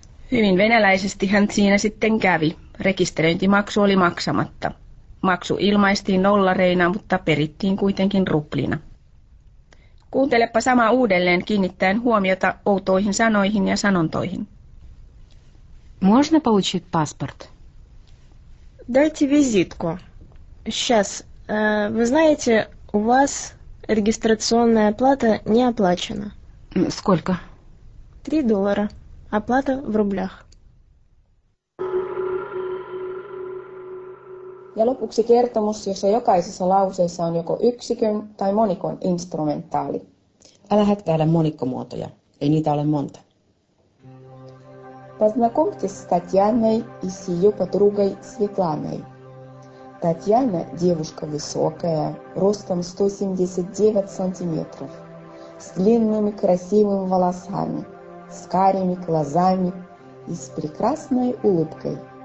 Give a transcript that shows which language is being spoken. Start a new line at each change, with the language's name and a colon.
Finnish: Hyvin venäläisesti hän siinä sitten kävi. Rekisteröintimaksu oli maksamatta. Maksu ilmaistiin dollareina, mutta perittiin kuitenkin ruplina. Kuuntelepa sama uudelleen kiinnittäen huomiota outoihin sanoihin ja sanontoihin.
Russian: Можно получить паспорт? Дайте визитку. Сейчас. Вы знаете, у вас регистрационная плата не оплачена. Сколько? $3. Оплата в рублях.
Finnish: Ja lopuksi kertomus, jossa jokaisessa lauseessa on joko yksikön tai monikon instrumentaali. Älä hätkäile monikkomuotoja, ei niitä ole monta.
Russian: Познакомьтесь с Татьяной и с ее подругой Светланой. Татьяна – девушка высокая, ростом 179 сантиметров, с длинными красивыми волосами, с карими глазами и с прекрасной улыбкой.